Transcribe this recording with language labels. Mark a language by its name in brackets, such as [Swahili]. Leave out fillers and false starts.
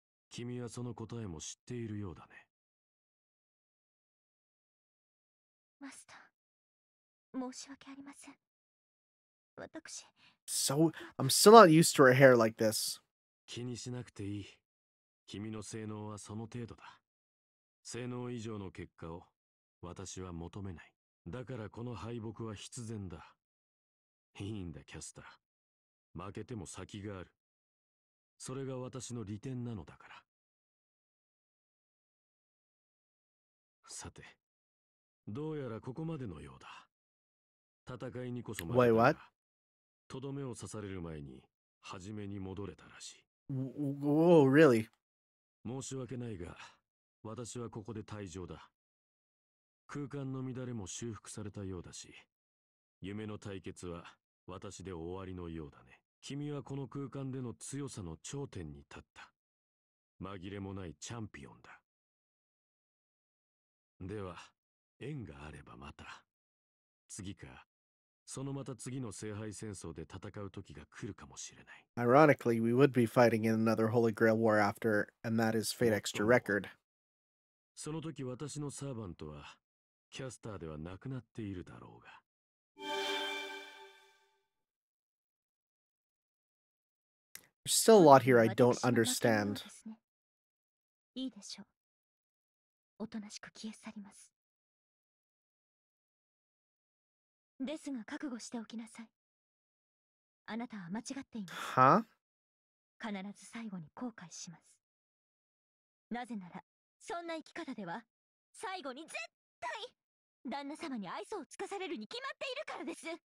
[Japanese] 君はその答えも知っているようだね。マスター、申し訳ありません。私。 [English] So, I'm still not used to her hair like this. [Japanese] 気にしなくていい。君の性能はその程度だ。性能以上の結果を私は求めない。だからこの敗北は必然だ。いいんだ、キャスター。負けても先がある。それが私の利点なのだから。さて、どうやらここまでのようだ。戦いにこそ負けたが、とどめを刺される前に、初めに戻れたらしい。 [English] Oh, really? [Japanese] 申し訳ないが、私はここで退場だ。空間の乱れも修復されたようだし、夢の対決は私で終わりのようだね。君はこの空間での強さの頂点に立った。紛れもないチャンピオンだ。では、縁があればまた。次か、そのまた次の聖杯戦争で戦う時が来るかもしれない。 [English] Ironically, we would be fighting in another Holy Grail war after, and that is Fate Extra Record. [Japanese] その時私のサーバントは、キャスターではなくなっているだろうが。 [English] There's still a lot here I don't understand. [Japanese] いいでしょう。おとなしく消え去ります。ですが覚悟しておきなさい。あなたは間違っています。 Huh? 必ず最後に後悔します。なぜなら、そんな生き方では、最後に絶対、旦那様に愛想を尽かされるに決まっているからです。